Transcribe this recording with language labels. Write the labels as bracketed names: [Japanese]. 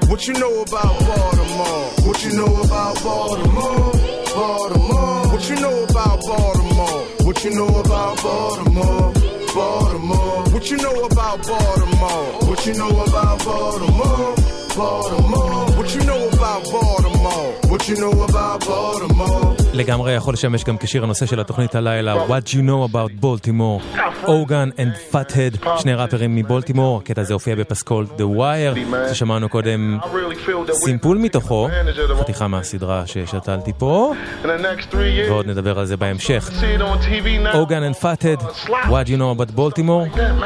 [English] What you know about Baltimore? What you know about Baltimore? Baltimore. What you know about Baltimore? What you know about Baltimore? Baltimore. What you know about Baltimore? What you know about Baltimore? Baltimore. What you know about Baltimore? What you know about Baltimore? [Hebrew] לגמרי יכול לשמש גם כשיר הנושא של התוכנית הלילה, [English] What you know about Baltimore? [Hebrew] Ogun and Fathead, שני ראפרים מבולטימור, הקטע הזה הופיע בפסקול The Wire, ששמענו קודם סימפול מתוכו, חתיכה מהסדרה ששתלתי פה, ועוד נדבר על זה בהמשך. [English] Ogun and Fathead, What you know about Baltimore?